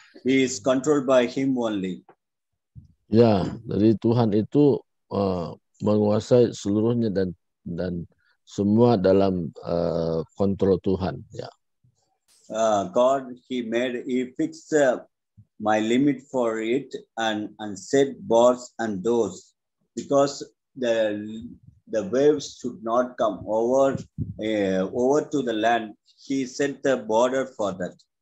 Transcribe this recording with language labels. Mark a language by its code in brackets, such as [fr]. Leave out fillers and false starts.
[en] He is controlled by him only. [id] Ya, dari Tuhan itu menguasai seluruhnya dan semua dalam kontrol Tuhan, ya. [en] God he fixed my limit for it and set bars and doors, because the waves should not come over to the land. He set the border for that.